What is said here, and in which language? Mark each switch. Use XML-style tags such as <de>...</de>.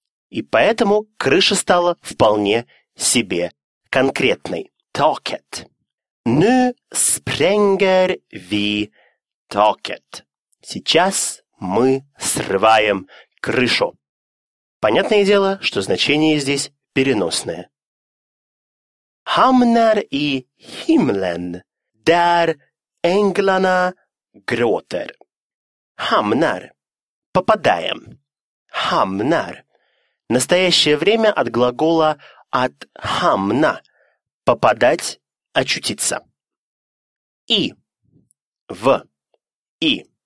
<ru>И поэтому крыша стала вполне себе конкретной.</ru> <sv>«Токет». «Nu sprenger vi toket».</sv> <ru>«Сейчас мы срываем крышу». Понятное дело, что значение здесь переносное.</ru> <sv>«Hamnar i himlen, där englarna gråter».</sv> <ru>«Hamnar» — «попадаем». «Hamnar» — настоящее время от глагола «от hamna» — «попадать, очутиться». «И» — «в» — «и».</ru>